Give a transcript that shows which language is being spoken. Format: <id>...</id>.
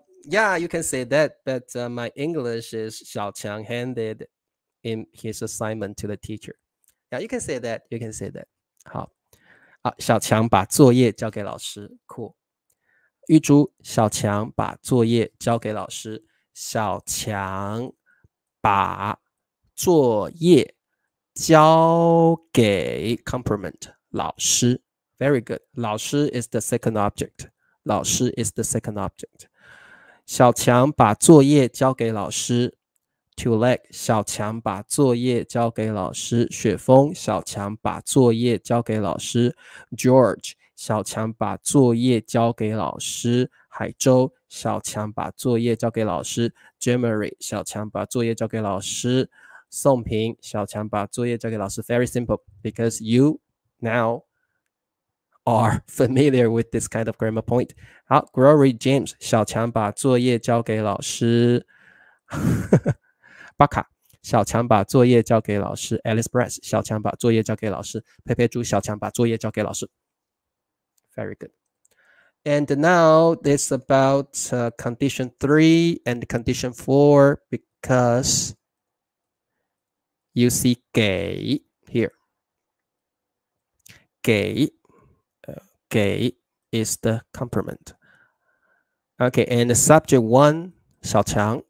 <en>Yeah, you can say that, but my English is 小强 handed in his assignment to the teacher. Yeah, you can say that, you can say that.</en> <zh>好，啊，小强把作业交给老师 ，cool。玉珠，小强把作业交给老师。小强把作业交给 compliment 老师。</zh> <en>Very good. 老师 is the second object. 老师 is the second object.</en> <zh>小强把作业交给老师。</zh> <en>To let</en> <zh>小强把作业交给老师。雪峰，小强把作业交给老师。 George. 小强把作业交给老师。海州，小强把作业交给老师。Jemery， 小强把作业交给老师。宋平，小强把作业交给老师。</zh> <en>Very simple, because you now are familiar with this kind of grammar point.</en> <zh>好， Glory James， 小强把作业交给老师。巴卡，小强把作业交给老师。 Alice Brass， 小强把作业交给老师。佩佩猪，小强把作业交给老师。</zh> <en>Very good. And now it's about condition 3 and condition 4 because you see 给 here. 给 is the complement. Okay, and subject 1, 小强.</en>